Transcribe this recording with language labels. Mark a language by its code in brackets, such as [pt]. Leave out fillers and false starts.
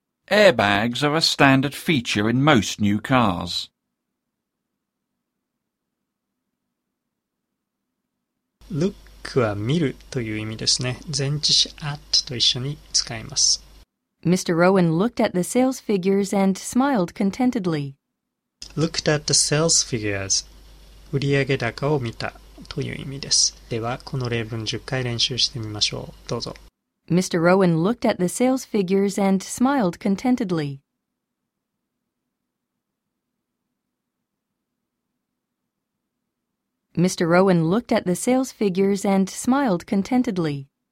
[en] Airbags are a standard feature in most new cars. [ja] Look は見るという意味ですね。前置詞 at と一緒に使います。 [en] Mr. Rowan looked at the sales figures and smiled contentedly. Looked at the sales figures. [ja] 売上高を見たという意味です。ではこの例文10回練習してみましょう。どうぞ。 [en] Mr. Rowan looked at the sales figures and smiled contentedly. Mr. Rowan looked at the sales figures and smiled contentedly.